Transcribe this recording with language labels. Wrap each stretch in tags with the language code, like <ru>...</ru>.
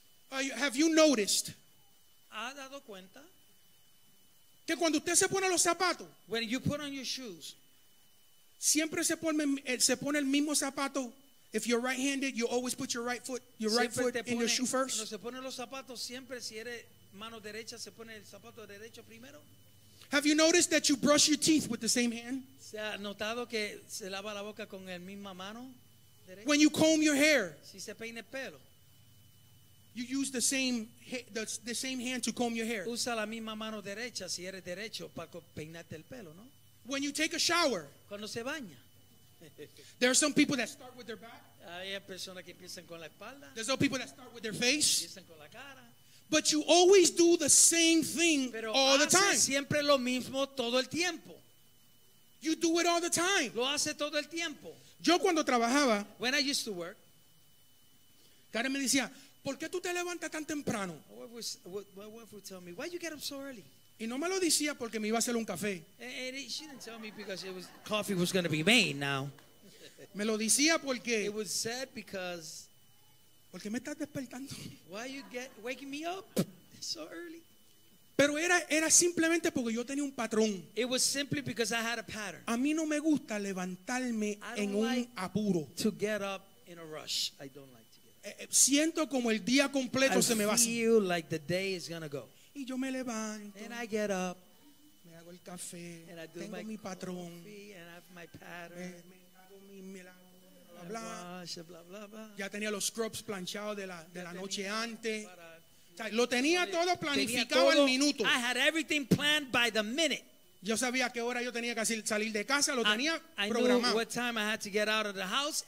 <en>Have you noticed?</en> <es>¿Ha dado cuenta? Que cuando usted se pone los zapatos,</es> <en>when you put on your shoes,</en> <es>siempre se pone el mismo zapato.</es> <en>If you're right-handed, you always put your right foot, your</en> <es>siempre</es> <en>right foot in your shoe first.</en> <es>Se pone los zapatos siempre. Si eres mano derecha, se pone el zapato derecho primero.</es> <en>Have you noticed that you brush your teeth with the same hand?</en> <es>¿Se ha notado que se lava la boca con el misma mano derecha?</es> <en>When you comb your hair,</en> <es>si se peina el pelo,</es> <en>you use the same hand to comb your hair.</en> <es>Usa la misma mano derecha si eres derecho para peinarte el pelo, ¿no?</es> <en>When you take a shower,</en> <es>cuando se baña.</es> <en>There are some people that start with their back.</en> <es>Hay personas que empiezan con la espalda.</es> <en>There's some people that start with their face.</en> <es>Empiezan con la cara.</es> <en>But you always do the same thing.</en> <es>Pero</es> <en>all the time.</en> <es>Siempre lo mismo todo el tiempo.</es> <en>You do it all the time.</en> <es>Lo hace todo el tiempo. Yo cuando trabajaba,</es> <en>when I used to work,</en> <es>Karen me decía, ¿por qué tú te levantas tan temprano?</es> <en>My wife would tell me, why you get up so early?</en> <es>Y no me lo decía porque me iba a hacer un café.</es> <en>She didn't tell me because coffee was going to be made now.</en> <es>Me lo decía porque.</es> <en>It was said because.</en> <es>Porque me estás despertando.</es> <en>Why are you waking me up so early?</en> <es>Pero era simplemente porque yo tenía un patrón.</es> <en>It was simply because I had a pattern.</en> <es>A mí no me gusta levantarme en un apuro.</es> <en>To get up in a rush. I don't like to get up.</en> <es>Siento como el día completo se me va.</es> <en>I feel like the day is going to go.</en> <es>Y yo me levanto.</es> <en>And I get up.</en> <es>Me hago el café.</es> <en>And I do</en> <es>tengo</es> <en>my</en> <es>mi patrón.</es> <en>Coffee, and I have my pattern.</en> <es>Me hago mi milagro, bla, bla,</es> <en>wash, bla, bla, bla.</en> <es>Ya tenía los scrubs planchados de la noche antes. O sea, lo tenía todo planificado al minuto.</es> <en>I had everything planned by the minute.</en> <es>Yo sabía qué hora yo tenía que salir de casa, lo tenía</es> <en>programado. I knew what time I had to get out of the house.</en>